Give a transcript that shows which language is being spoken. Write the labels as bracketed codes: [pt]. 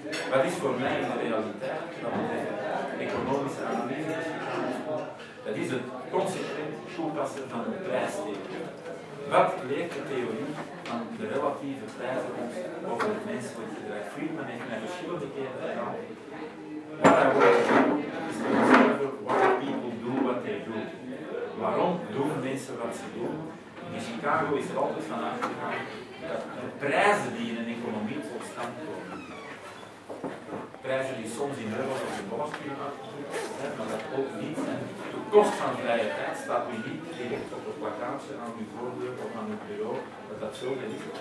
[nl] Wat is voor mij de realiteit? Dat is de economische analyse van de Chicago School. Dat is het consequent toepassen van de prijstheorie. Wat leert de theorie van de relatieve prijzen over het menselijk gedrag? Friedman heeft mij verschillende keren gedaan. [en] What I want to do is to discover why people do what they do. [nl] Waarom doen mensen wat ze doen? In Chicago is er altijd van uitgegaan dat de prijzen die in een economie tot stand komen, prijzen die soms in euro's of in dollars kunnen uitgevoerd, maar dat ook niet. En de kost van vrije tijd staat u niet direct op het plakkaatje aan uw voordeur of aan uw bureau, dat dat zo is.